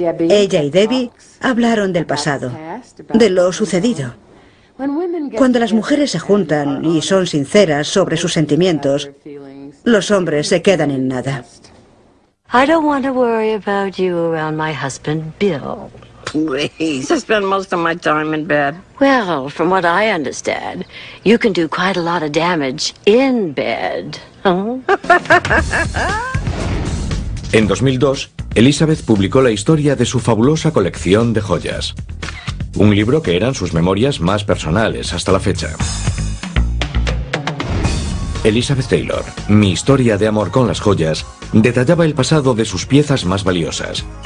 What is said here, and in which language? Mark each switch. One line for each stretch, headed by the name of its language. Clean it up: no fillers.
Spanish: Ella y Debbie hablaron del pasado, de lo sucedido. Cuando las mujeres se juntan y son sinceras sobre sus sentimientos, los hombres se quedan en nada.
English: I don't want to worry about you around my husband, Bill. Please, I spend most of my time in bed. Well, from what I understand, you can do quite a lot of damage in bed.
Spanish: En 2002, Elizabeth publicó la historia de su fabulosa colección de joyas. Un libro que eran sus memorias más personales hasta la fecha. Elizabeth Taylor, Mi historia de amor con las joyas, detallaba el pasado de sus piezas más valiosas.